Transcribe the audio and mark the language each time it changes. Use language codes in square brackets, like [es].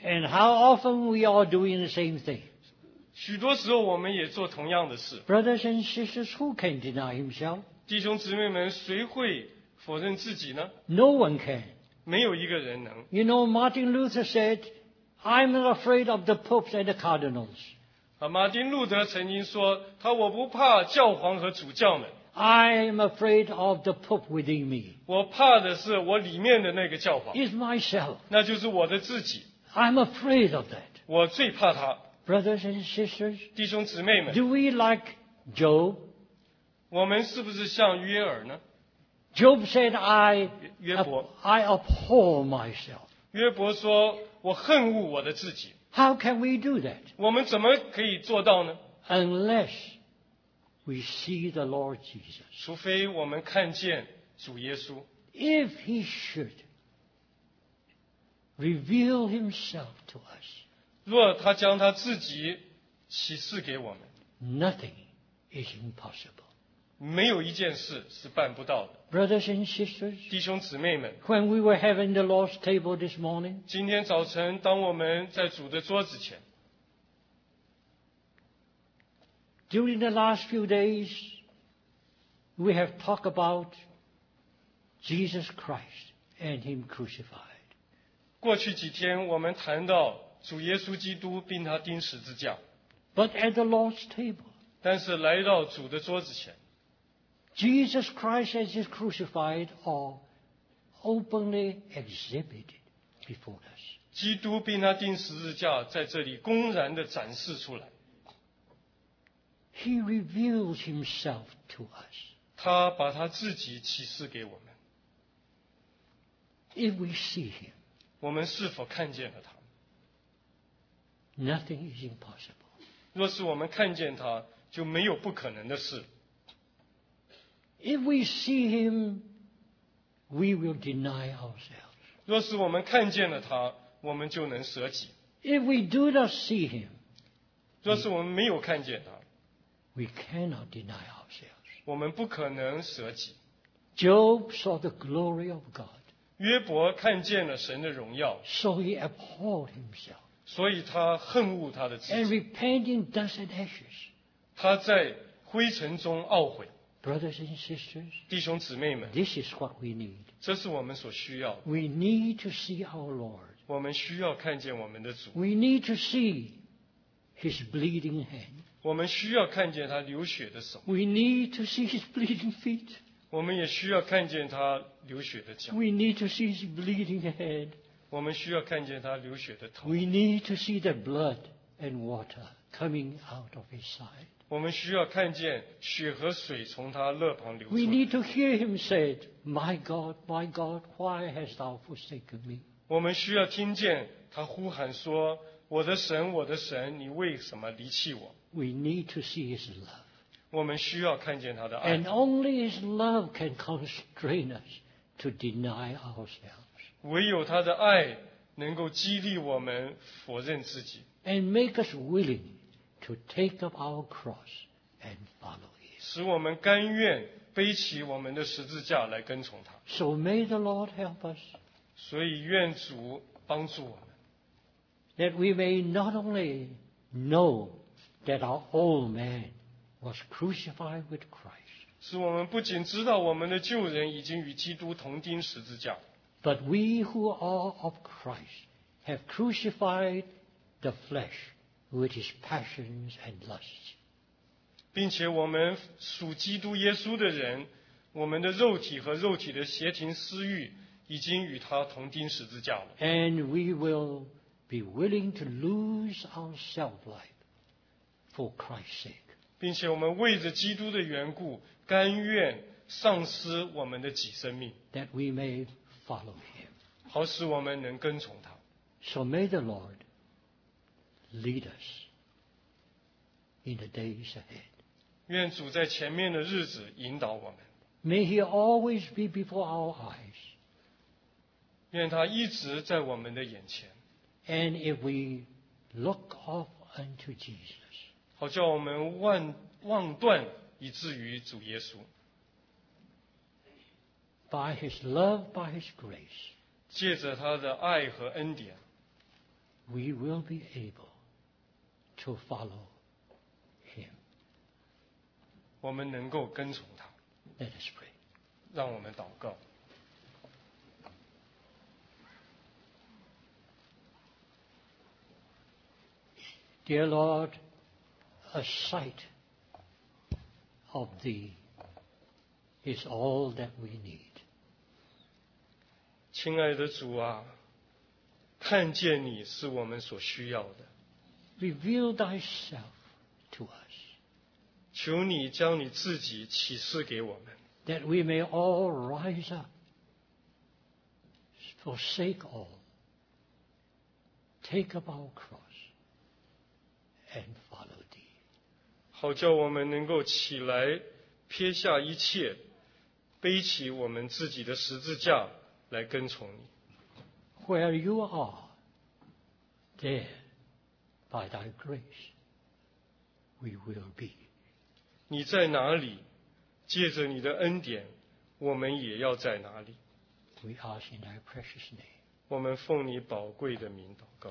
[en] And how often we are doing the same thing. [zh] 许多时候我们也做同样的事。 [en] Brothers and sisters, who can deny himself? [zh] 弟兄姊妹们，谁会否认自己呢？ [en] No one can. [zh] 没有一个人能。 [en] You know, Martin Luther said, I'm not afraid of the popes and the cardinals. [zh] 马丁路德曾经说，他我不怕教皇和主教们。 [en] I am afraid of the Pope within me. [zh] 我怕的是我里面的那个教皇。 [en] Is myself. [zh] 那就是我的自己。 [en] I'm afraid of that. [zh] 我最怕他。 [en] Brothers and sisters. [zh] 弟兄姊妹们。 [en] Do we like Job? [zh] 我们是不是像约珥呢？ [en] Job said, I. [zh] 约伯。 [en] I abhor myself. [zh] 约伯说，我恨恶我的自己。 [en] How can we do that? [zh] 我们怎么可以做到呢？ [en] Unless we see the Lord Jesus. [zh] 除非我们看见主耶稣。 [en] If he should reveal himself to us. [zh] 若他将他自己启示给我们。 [en] Nothing is impossible. [zh] 没有一件事是办不到的。 [en] Brothers and sisters. [zh] 弟兄姊妹们。 [en] When we were having the Lord's table this morning. [zh] 今天早晨当我们在主的桌子前。 [en] During the last few days, we have talked about Jesus Christ and Him crucified. [zh] 过去几天我们谈到主耶稣基督并他钉十字架。 [en] But at the Lord's table, [zh] 但是来到主的桌子前， [en] Jesus Christ and His crucified are openly exhibited before us. [zh] 基督并他钉十字架在这里公然地展示出来。 [en] He reveals himself to us. [zh] 他把他自己启示给我们。 [en] If we see him, [zh] 我们是否看见了他？ [en] Nothing is impossible. [zh] 若是我们看见他，就没有不可能的事。 [en] If we see him, we will deny ourselves. [zh] 若是我们看见了他，我们就能舍己。 [en] If we do not see him, [zh] 若是我们没有看见他， [en] we cannot deny ourselves. [zh] 我们不可能舍己。 [en] Job saw the glory of God. [zh] 约伯看见了神的荣耀。 [en] So he abhorred himself. [zh] 所以他恨恶他的自己。 [en] And repented in dust and ashes. [zh] 他在灰尘中懊悔。 [en] Brothers and sisters, [zh] 弟兄姊妹们， [en] this is what we need. [zh] 这是我们所需要的。 [en] We need to see our Lord. [zh] 我们需要看见我们的主。 [en] We need to see His bleeding hand. [zh] 我们需要看见他流血的手。 [en] We need to see His bleeding feet. [zh] 我们也需要看见他流血的脚。 [en] We need to see His bleeding head. [zh] 我们需要看见他流血的头。 [en] We need to see the blood and water coming out of His side. [zh] 我们需要看见血和水从他肋旁流出来。 [en] We need to hear him say, "My God, my God, why hast thou forsaken me?" [zh] 我们需要听见他呼喊说，我的神，我的神，你为什么离弃我？ [en] We need to see his love. [zh] 我们需要看见他的爱。 [en] And only his love can constrain us to deny ourselves. [zh] 唯有他的爱能够激励我们否认自己。 [en] And make us willing. To take up our cross and follow Him. [zh] 使我们甘愿背起我们的十字架来跟从他。 [en] So may the Lord help us. [zh] 所以愿主帮助我们。 [en] That we may not only know that our old man was crucified with Christ. [zh] 使我们不仅知道我们的旧人已经与基督同钉十字架。 [en] But we who are of Christ have crucified the flesh. With his passions and lusts. [zh] 并且我们属基督耶稣的人，我们的肉体和肉体的邪情私欲已经与他同钉十字架了。 [en] And we will be willing to lose our self-life for Christ's sake. [zh] 并且我们为着基督的缘故，甘愿丧失我们的己生命。 [en] That we may follow him. [zh] 好使我们能跟从他。 [en] So may the Lord. Lead us in the days ahead. [zh] 愿主在前面的日子引导我们。 [en] May He always be before our eyes. [zh] 愿他一直在我们的眼前。 [en] And if we look off unto Jesus, [zh] 好叫我们望断以至于主耶稣。 [en] By His love, by His grace, [zh] 借着他的爱和恩典 [en] we will be able. To follow him. [zh] 我们能够跟从他。 [en] Let us pray. [zh] 让我们祷告。 [en] Dear Lord, a sight of thee is all that we need. [zh] 亲爱的主啊，看见你是我们所需要的。 [en] Reveal thyself to us. [zh] 求你将你自己启示给我们。 [en] That we may all rise up, forsake all, take up our cross, and follow thee. [zh] 好叫我们能够起来，撇下一切，背起我们自己的十字架来跟从你。 [en] Where you are, there. By thy grace, we will be. [zh] 你在哪里？借着你的恩典，我们也要在哪里。 [en] We ask in thy precious name. [zh] 我们奉你宝贵的名祷告。